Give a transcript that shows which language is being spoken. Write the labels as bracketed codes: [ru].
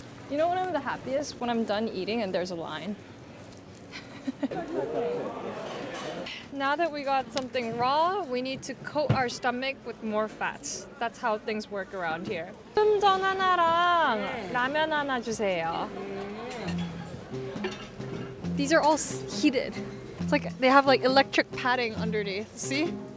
[en] You know when I'm the happiest? When I'm done eating and there's a line. Now that we got something raw, we need to coat our stomach with more fats. That's how things work around here. [ko] 좀전 하나랑 라면 하나 주세요. [en] These are all heated. It's like they have like electric padding underneath, see?